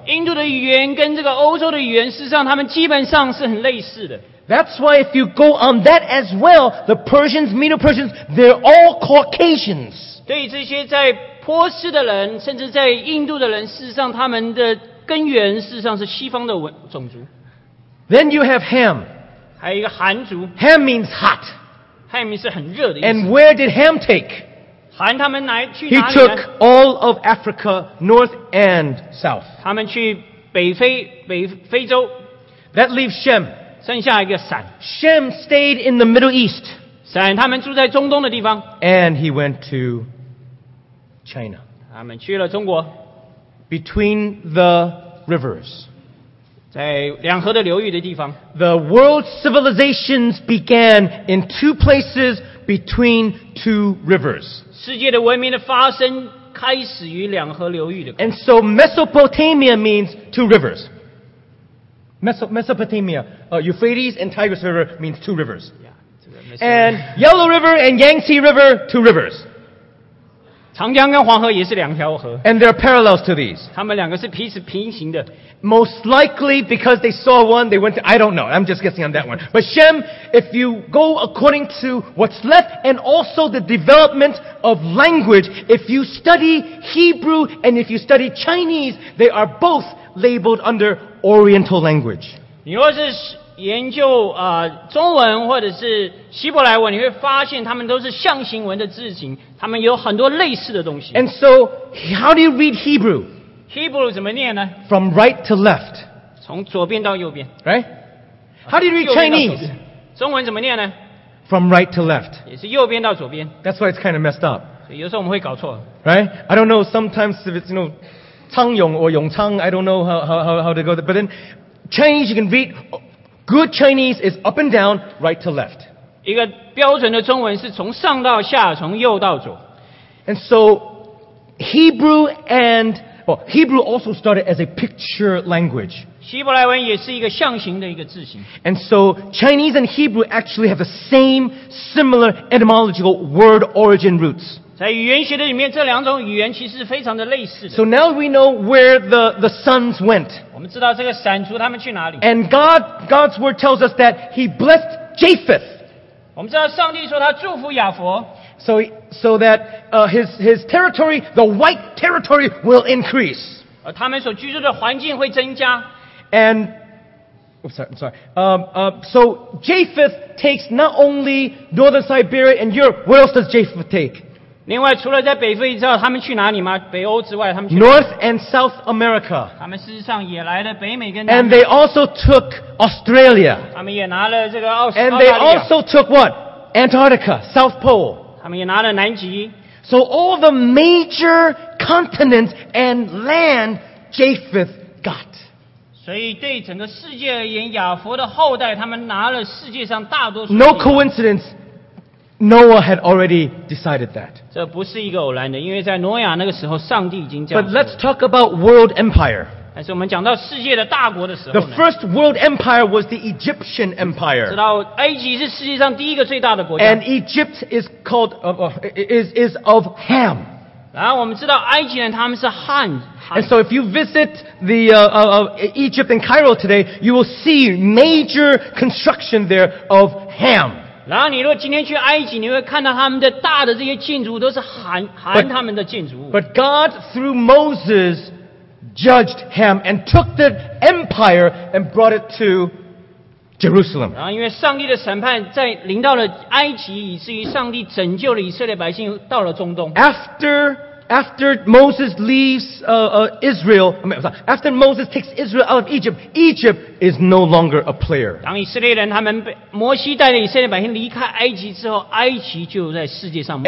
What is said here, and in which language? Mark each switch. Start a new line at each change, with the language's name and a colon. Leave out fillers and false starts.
Chinese: 印度的语言跟这个欧洲的语言，事实上他们基本上是很类似的。
English: That's why if you go on that as well, the Persians, Medo-Persians, they're all Caucasians.
Chinese: 对这些在波斯的人，甚至在印度的人，事实上他们的根源事实上是西方的种族。
English: Then you have Ham.
Chinese: 还有一个韩族。
English: Ham means hot.
Chinese: Ham是很热的意思。
English: And where did Ham take?
Chinese: 韩他们来去哪里呢
English: He took all of Africa, north and south.
Chinese: 他们去北非洲。
English: That leaves Shem.
Chinese: 剩下一个闪。
English: Shem stayed in the Middle East.
Chinese: 闪他们住在中东的地方。
English: And he went to China.
Chinese: 他们去了中国。
English: Between the rivers.
Chinese: 在两河的流域的地方
English: The world civilizations began in two places between two rivers.
Chinese: 世界的文明的发生开始于两河流域的
English: And so Mesopotamia means two rivers. Mesopotamia, Euphrates and Tigris River means two rivers. Yeah, and Yellow River and Yangtze River, two rivers.
Chinese: 长江跟黄河也是两条河。
English: And there are parallels to these.
Chinese: 他们两个是彼此平行的。
English: Most likely because they saw one, they went to, I don't know, I'm just guessing on that one. But Shem, if you go according to what's left and also the development of language, if you study Hebrew and if you study Chinese, they are both labeled under Oriental language.
Chinese: 你若是研究中文或者是希伯来文，你会发现他们都是象形文的字形，他们有很多类似的东西。
English: And so, how do you read Hebrew?
Chinese: Hebrew 怎么念呢？
English: From right to left.
Chinese: 从左边到右边。
English: Right? How do you read Chinese?
Chinese: 中文怎么念呢？
English: From right to left.
Chinese: 也是右边到左边。
English: That's why it's kind of messed up.
Chinese: 有时候我们会搞错。
English: Right? I don't know, sometimes if it's, you know, 昌永 or 永昌, I don't know how to go there. But then, Chinese you can read... Good Chinese is up and down, right to left.
Chinese: 一个标准的中文是从上到下，从右到左。
English: And so, Hebrew also started as a picture language.
Chinese: 希伯来文也是一个象形的一个字形。
English: And so, Chinese and Hebrew actually have the same similar etymological word origin roots.
Chinese: 在语言学的里面，这两种语言其实是非常的类似的。
English: So now we know where the sons went.
Chinese: 我们知道这个闪族他们去哪里。
English: And God's word tells us that he blessed Japheth.
Chinese: 我们知道上帝说他祝福亚佛。
English: So that his territory, the white territory, will increase.
Chinese: 而他们所居住的环境会增加。
English: So Japheth takes not only northern Siberia and Europe, where else does Japheth take?
Chinese: 另外除了在北非之外他们去哪里吗北欧之外他们去哪
English: 里 North and South America
Chinese: 他们事实上也来了北美跟南美
English: And they also took Australia
Chinese: 他们也拿了这个澳大利亚
English: And they also took what? Antarctica, South Pole
Chinese: 他们也拿了南极
English: So all the major continents and land Japheth got
Chinese: 所以对整个世界而言亚佛的后代他们拿了世界上大多数
English: No coincidenceNoah had already decided that.
Chinese: 这不是一个偶然的，因为在挪亚那个时候，上帝已经这样说。
English: But let's talk about world empire.
Chinese: 但是我们讲到世界的大国的时候呢。
English: The first world empire was the Egyptian empire.
Chinese: 知道埃及是世界上第一个最大的国家。
English: And Egypt is called is of Ham.
Chinese: 然后我们知道埃及人他们是汉。
English: And so if you visit the Egypt and Cairo today, you will see major construction there of Ham.
Chinese: 然后你如果今天去埃及，你会看到他们的大的这些建筑都是含他们的建筑物。
English: But God through Moses judged Ham and took the empire and brought it to Jerusalem.
Chinese: 然后因为上帝的审判在临到了埃及，以至于上帝拯救了以色列百姓到了中东。
English: After Moses leaves Israel, after Moses takes Israel out of Egypt, Egypt is no longer a player.
Chinese: 当以色列人他们摩西带着以色列百姓离开埃及之后，埃及就在世界上没